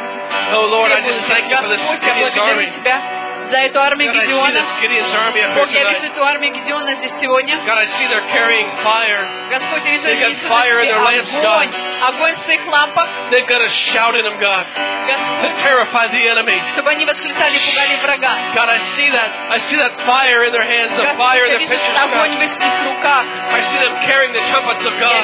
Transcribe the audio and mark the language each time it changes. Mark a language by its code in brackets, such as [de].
[en] Oh Lord, I just thank you for this Gideon's army. [ru] За эту армию Гедеона. Бог, я вижу эту армию Гедеона здесь сегодня. Господь, я вижу, [en] they got fire in their lamps, [ru] огонь. [en] God. [ru] Огонь в своих лампах. [en] They've got a shout in them, God. To terrify the enemy. [ru] Чтобы они восклицали, пугали врага. [en] God, I see that. I see that fire in their hands, the fire in their pitchers, [ru] огонь в их руках. [en] I see them carrying the trumpets of God.